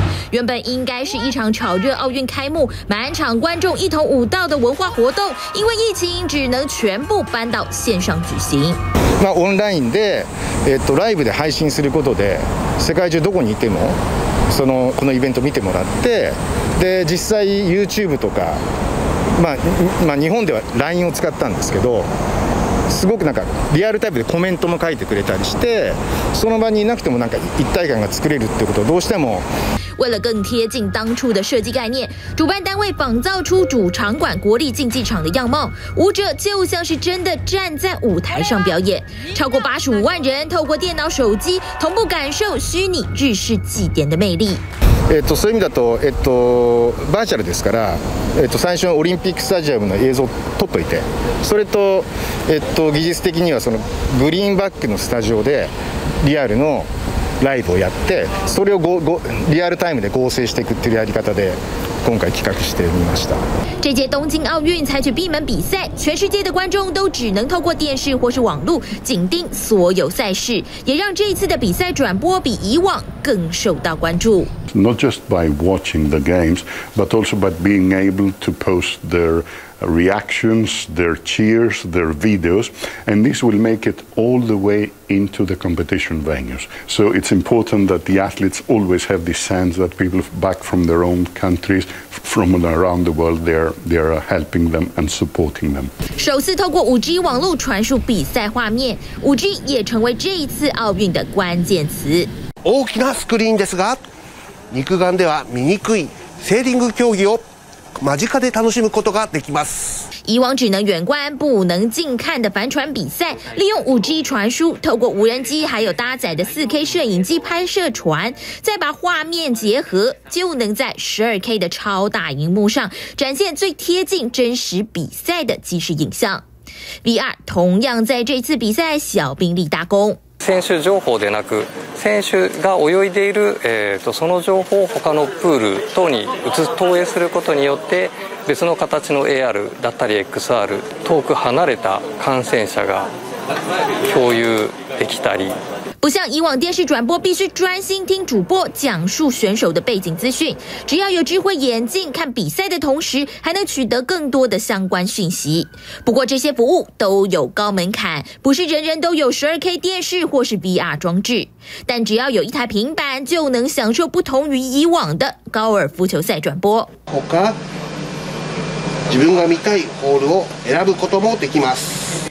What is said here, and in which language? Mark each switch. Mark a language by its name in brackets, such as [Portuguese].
[Chinese] 原本应该是一场炒热奥运开幕、满场观众一同舞蹈的文化活动，因为疫情只能全部搬到线上举行。 [Japanese] まあ、オンラインで、ライブで配信することで世界中どこにいてもそのこのイベント見てもらって、で実際 YouTube とか、まあ、日本では LINE を使ったんですけど、すごくなんかリアルタイムでコメントも書いてくれたりして、その場にいなくてもなんか一体感が作れるってことをどうしても。 [Chinese] 为了更贴近当初的设计概念，主办单位仿造出主场馆国立竞技场的样貌，舞者就像是真的站在舞台上表演。超过85万人透过电脑、手机同步感受虚拟日式祭典的魅力。 [Japanese] そういう意味だと、バーチャルですから、最初のオリンピックスタジアムの映像を撮っといて、それと、技術的にはそのグリーンバックのスタジオでリアルのライブをやって、それをリアルタイムで合成していくっていうやり方で今回企画してみました。 [Chinese] 这届东京奥运采取闭门比赛，全世界的观众都只能透过电视或是网路紧盯所有赛事，也让这一次的比赛转播比以往更受到关注。 [English] Not just by watching the games, but also by being able to post their reactions, their cheers, their videos, and this will make it all the way into the competition venues. So it's important that the athletes always have this sense that people back from their own countries, from around the world, they're helping them and supporting them. [Chinese] 首次透过 5G 网络传输比赛画面， 5G 也成为这一次奥运的关键词。 [Japanese] 大きなスクリーンですが、肉眼では見にくいセーリング競技を間近で楽しむことができます。 [Chinese] 以往只能远观不能近看的帆船比赛，利用 5G 传输，透过无人机还有搭载的 4K 摄影机拍摄船，再把画面结合，就能在 12K 的超大荧幕上展现最贴近真实比赛的即时影像。 VR 同样在这次比赛小兵立大功。 [Japanese] 選手情報でなく、選手が泳いでいる、その情報を他のプール等に投影することによって、別の形の AR だったり XR、遠く離れた感染者が共有できたり。 [Chinese] 不像以往电视转播必须专心听主播讲述选手的背景资讯，只要有智慧眼镜看比赛的同时，还能取得更多的相关讯息。不过这些服务都有高门槛，不是人人都有 12K 电视或是 VR 装置，但只要有一台平板就能享受不同于以往的高尔夫球赛转播。 [Japanese] 他自分が見たいホールを選ぶこともできます。